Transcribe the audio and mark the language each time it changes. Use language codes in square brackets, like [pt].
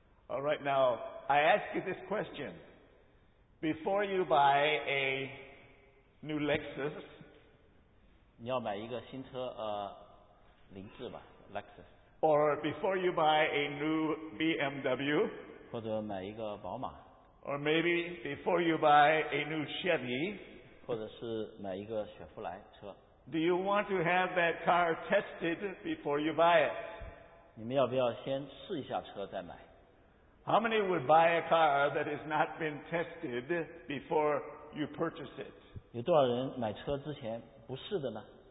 [en] Alright, now, I ask you this question. Before you buy a new Lexus, [zh] 你要买一个新车, 凌志吧, Lexus. [en] Or before you buy a new BMW, [zh] 或者买一个宝马, [en] or maybe before you buy a new Chevy, [zh] 或者是买一个雪佛兰车, [en] do you want to have that car tested before you buy it? [zh] 你们要不要先试一下车再买? [en] How many would buy a car that has not been tested before you purchase it? [zh] 有多少人买车之前不试的呢?